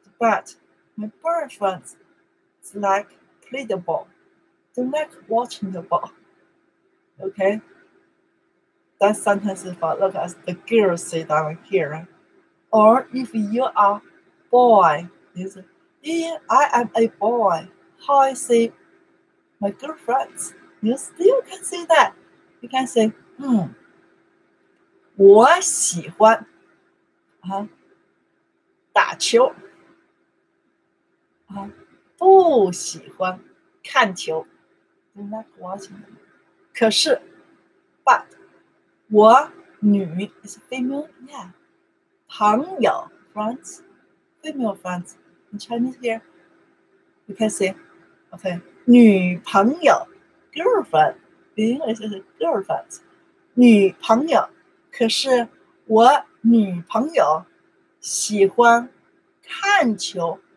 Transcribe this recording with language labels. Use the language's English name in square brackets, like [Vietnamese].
[English] but my boyfriends is like play the ball don't like watching the ballOkay, that sentence is for, look at the girl say down here, right? Or if you are boy, you say, yeah, I am a boy. How I say my girlfriends, you still can say that. You can say, [Chinese] 我喜欢打球不喜欢看球 [English] I'm not watching them. [Chinese] 可是 [English] but [Chinese] 我女 [English] is female yeah [Chinese] 朋友 [English] friends female friends in Chinese here you can say okay [Chinese] 女朋友 [English] girlfriend in English is girlfriend [Chinese] 女朋友可是我女朋友喜欢看球